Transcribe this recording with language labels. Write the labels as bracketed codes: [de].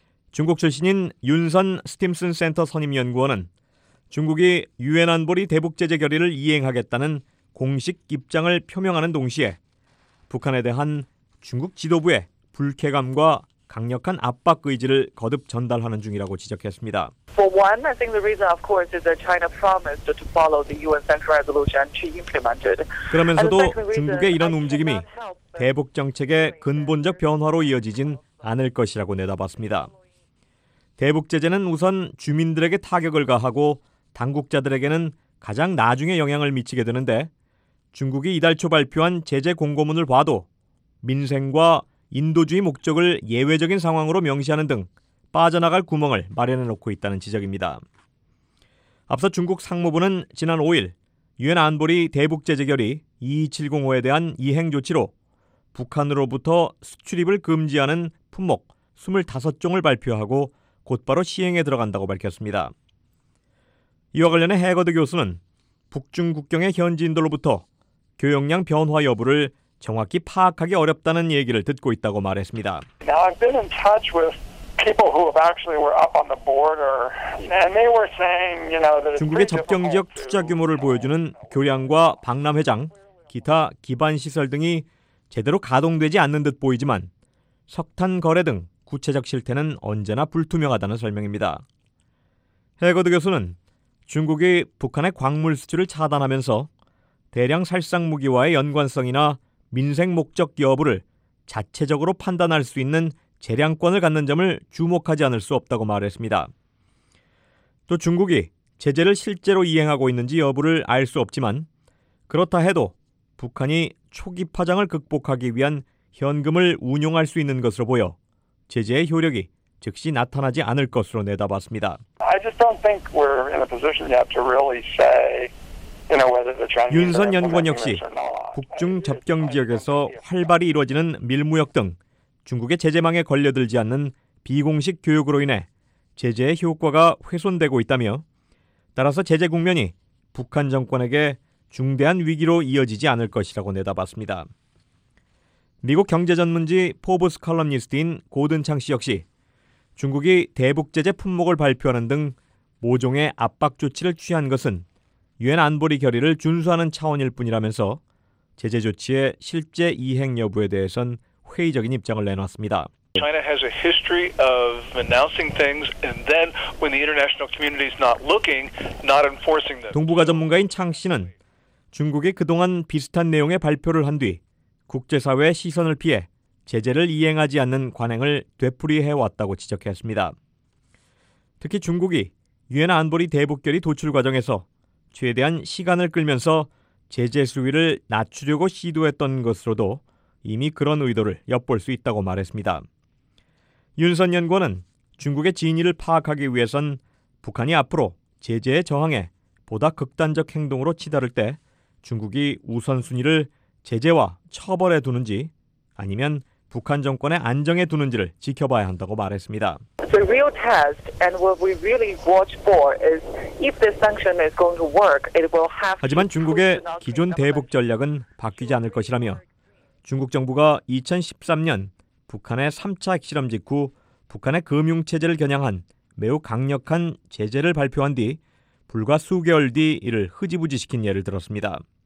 [ko] 중국 출신인 윤선 스팀슨 센터 선임연구원은 중국이 유엔 안보리 대북 제재 결의를 이행하겠다는 공식 입장을 표명하는 동시에 북한에 대한 중국 지도부의 불쾌감과 강력한 압박 의지를 거듭 전달하는 중이라고 지적했습니다. [en] For one, I think the reason, of course, is that China promised to follow the UN Central Resolution to implement it. [ko] 그러면서도 중국의 이런 움직임이 대북 정책의 근본적 변화로 이어지진 않을 것이라고 내다봤습니다. 대북 제재는 우선 주민들에게 타격을 가하고 당국자들에게는 가장 나중에 영향을 미치게 되는데 중국이 이달 초 발표한 제재 공고문을 봐도 민생과 인도주의 목적을 예외적인 상황으로 명시하는 등 빠져나갈 구멍을 마련해놓고 있다는 지적입니다. 앞서 중국 상무부는 지난 5일 유엔 안보리 대북 제재 결의 2705에 대한 이행 조치로 북한으로부터 수출입을 금지하는 품목 25종을 발표하고 곧바로 시행에 들어간다고 밝혔습니다. 이와 관련해 해거드 교수는 북중 국경의 현지인들로부터 교역량 변화 여부를 정확히 파악하기 어렵다는 얘기를 듣고 있다고 말했습니다. [en] Now I've been in touch with people who have actually were up on the border and they were saying, you know, that [ko] 중국의 접경 지역 투자 규모를 보여주는 교량과 박람회장, 기타 기반 시설 등이 제대로 가동되지 않는 듯 보이지만 석탄 거래 등 구체적 실태는 언제나 불투명하다는 설명입니다. 해거드 교수는 중국이 북한의 광물 수출을 차단하면서 대량 살상 무기와의 연관성이나 민생 목적 여부를 자체적으로 판단할 수 있는 재량권을 갖는 점을 주목하지 않을 수 없다고 말했습니다. 또 중국이 제재를 실제로 이행하고 있는지 여부를 알 수 없지만 그렇다 해도 북한이 초기 파장을 극복하기 위한 현금을 운용할 수 있는 것으로 보여 제재의 효력이 즉시 나타나지 않을 것으로 내다봤습니다. [en] I just don't think we're in a position yet to really say, you know, whether the Chinese. [ko] 윤선 연구원 역시 북중 접경 지역에서 활발히 이루어지는 밀무역 등 중국의 제재망에 걸려들지 않는 비공식 교육으로 인해 제재의 효과가 훼손되고 있다며 따라서 제재 국면이 북한 정권에게 중대한 위기로 이어지지 않을 것이라고 내다봤습니다. 미국 경제전문지 포브스 컬럼니스트인 고든 창 씨 역시 중국이 대북 제재 품목을 발표하는 등 모종의 압박 조치를 취한 것은 유엔 안보리 결의를 준수하는 차원일 뿐이라면서 제재 조치의 실제 이행 여부에 대해선 회의적인 입장을 내놨습니다. [en] China has a history of announcing things and then when the international community is not looking, not enforcing them. [ko] 동북아 전문가인 창 씨는 중국이 그동안 비슷한 내용의 발표를 한 뒤 국제사회의 시선을 피해 제재를 이행하지 않는 관행을 되풀이해왔다고 지적했습니다. 특히 중국이 유엔 안보리 대북결의 도출 과정에서 최대한 시간을 끌면서 제재 수위를 낮추려고 시도했던 것으로도 이미 그런 의도를 엿볼 수 있다고 말했습니다. 윤선 연구원은 중국의 진위를 파악하기 위해선 북한이 앞으로 제재에 저항해 보다 극단적 행동으로 치달을 때 중국이 우선순위를 제재와 처벌에 두는지 아니면 북한 정권의 안정에 두는지를 지켜봐야 한다고 말했습니다. [en] The real test and what we really watch for is if the sanction is going to work, it will have to. [ko] 하지만 중국의 기존 대북 전략은 바뀌지 않을 것이라며 중국 정부가 2013년 북한의 3차 핵실험 직후 북한의 금융 체제를 겨냥한 매우 강력한 제재를 발표한 뒤 불과 수개월 뒤 이를 흐지부지시킨 예를 들었습니다.